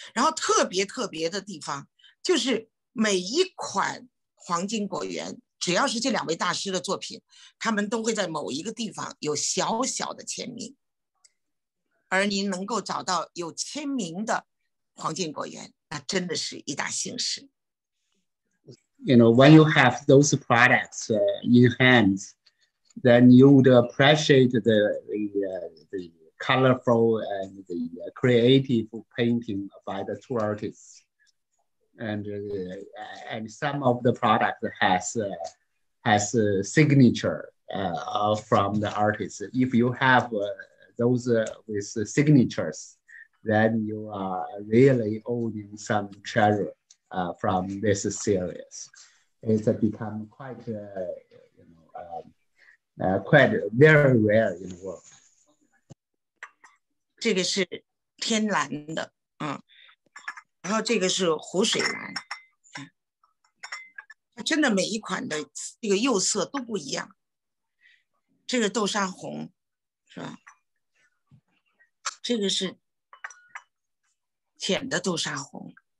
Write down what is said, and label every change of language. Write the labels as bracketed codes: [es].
[zh] 然后特别特别的地方就是每一款黄金果园，只要是这两位大师的作品，他们都会在某一个地方有小小的签名，而您能够找到有签名的黄金果园，那真的是一大幸事。 [en] You know, when you have those products in hand, then you would appreciate the colorful and the creative painting by the two artists. And some of the products has a signature from the artists. If you have those with signatures, then you are really owning some treasure. From this series, it's become quite very rare in the world. [zh] 这个是天蓝的，嗯，然后这个是湖水蓝，真的每一款的这个釉色都不一样。这个豆沙红，是吧？这个是浅的豆沙红。